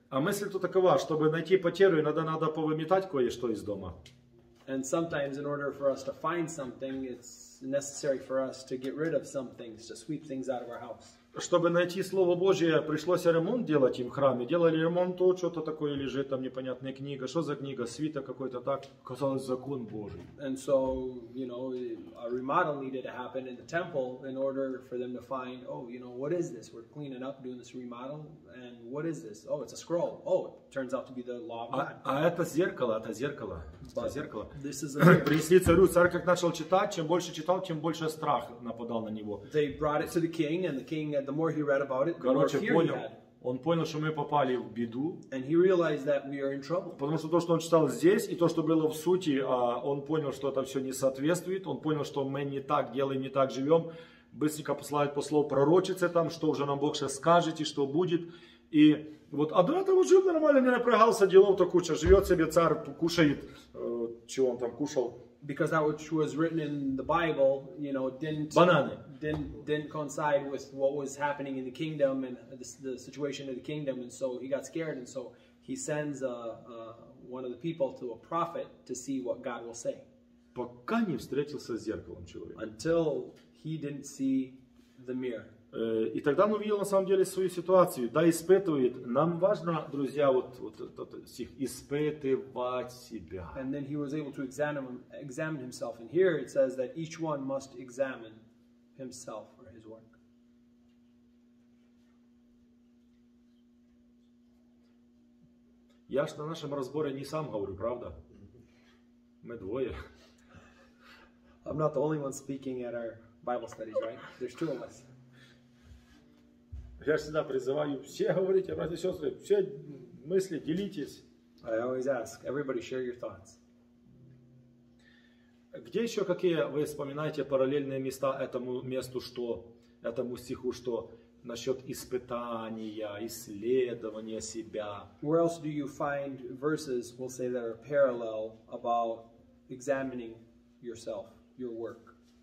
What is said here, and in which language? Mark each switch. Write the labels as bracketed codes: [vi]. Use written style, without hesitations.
[ru] А мысль-то такова, чтобы найти потерю, иногда надо повыметать кое-что из дома. [en] And sometimes in order for us to find something, it's necessary for us to get rid of some things, to sweep things out of our house. [ru] Чтобы найти Слово Божие, пришлось ремонт делать им в храме. Делали ремонт, то что-то такое лежит, там непонятная книга. Что за книга? Свиток какой-то так. Казалось, закон Божий. [en] And so, you know, a remodel needed to happen in the temple in order for them to find, oh, you know, what is this? We're cleaning up, doing this remodel. And what is this? Oh, it's a scroll. Oh, it turns out to be the law of God. [ru] А это зеркало, это зеркало. But это зеркало. [en] This is a mirror. [ru] Принесли царю. Царь как начал читать, чем больше читал, тем больше страх нападал на него. [en] They brought it to the king, and the king, the more he read about it, the more fear [ru] понял, [en] he had. [ru] Он понял, что мы попали в беду. [en] And he realized that we are in trouble. [ru] Потому что то, что он читал здесь, и то, что было в сути, он понял, что это все не соответствует. Он понял, что мы не так делаем, не так живем. Быстренько посылает послов пророчице там, что уже нам Бог сейчас скажет и что будет. И вот, а до этого жил нормально, не напрягался, делов-то куча. Живет себе царь, кушает, чего он там кушал. [en] Because that which was written in the Bible, you know, didn't coincide with what was happening in the kingdom and the situation of the kingdom, and so he got scared, and so he sends one of the people to a prophet to see what God will say. [ru] Пока не встретился с зеркалом человек. [en] Until he didn't see the mirror. [ru] И тогда он увидел на самом деле свою ситуацию. Да, испытывает. Нам важно, друзья, вот стих, испытывать себя. [en] And then he was able to examine himself. And here it says that each one must examine himself or his work. [ru] Я ж на нашем разборе не сам говорю, правда? Мы двое. [en] I'm not the only one speaking at our Bible studies, right? There's two of us. [ru] Я всегда призываю все говорить, братья и сестры, все мысли делитесь. [en] I always ask, everybody share your thoughts. [ru] Где еще какие вы вспоминаете параллельные места этому месту, что этому стиху, что насчет испытания, исследования себя? [en] Where else do you find verses, we'll say, that are parallel about examining yourself, your work?